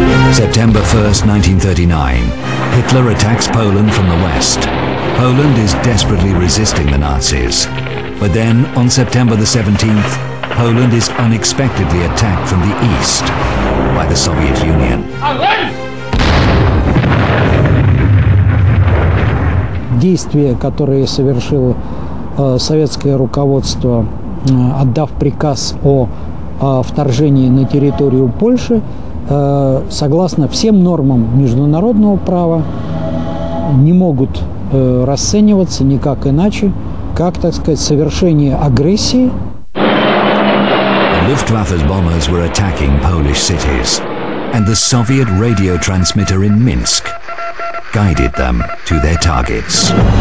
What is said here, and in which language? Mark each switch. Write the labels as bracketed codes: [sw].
[en] September 1st, 1939. Hitler attacks Poland from the west. Poland is desperately resisting the Nazis. But then, on September the 17th, Poland is unexpectedly attacked from the east by the Soviet Union. [ru] Действия, которые совершило советское руководство, отдав приказ о вторжении на территорию Польши, согласно всем нормам международного права, не могут расцениваться никак иначе, как, так сказать, совершение агрессии. [en] Luftwaffe's bombers were attacking Polish cities, and the Soviet radio transmitter in Minsk guided them to their targets.